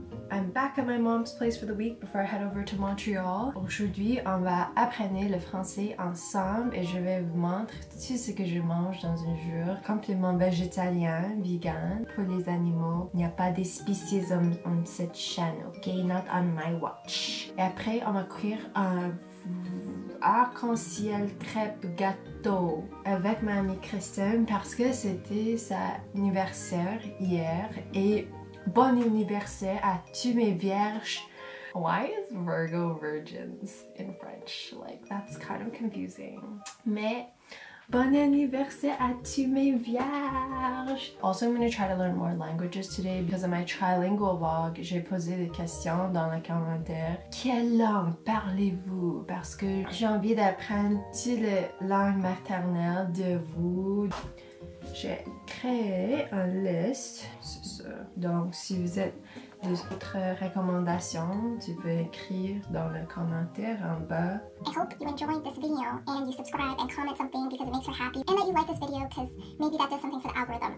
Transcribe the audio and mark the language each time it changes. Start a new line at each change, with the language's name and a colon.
English: I'm back at my mom's place for the week before I head over to Montreal.
French: Aujourd'hui, on va apprendre le français ensemble et je vais vous montrer tout ce que je mange dans un jour. Complément végétalien, vegan, pour les animaux. Il n'y a pas de spécisme on cette chaîne, ok?
English: Not on my watch.
French: Et après, on va cuire un arc-en-ciel crêpe gâteau avec ma amie Christine parce que c'était sa anniversaire hier et bon anniversaire à tous mes vierges.
English: Why is Virgo virgins in French? Like, that's kind of confusing.
French: Mais bon anniversaire à tous mes vierges.
English: Also, I'm going to try to learn more languages today because of my trilingual vlog.
French: J'ai posé des questions dans les commentaires. Quelle langue parlez-vous? Parce que j'ai envie d'apprendre toutes les langues maternelles de vous. J'ai créé un liste, c'est ça. Donc, si vous êtes d'autres recommandations, tu peux écrire dans le commentaire en bas.
English: I hope you enjoyed this video and you subscribe and comment something because it makes me happy and that you like this video because maybe that does something for the algorithm.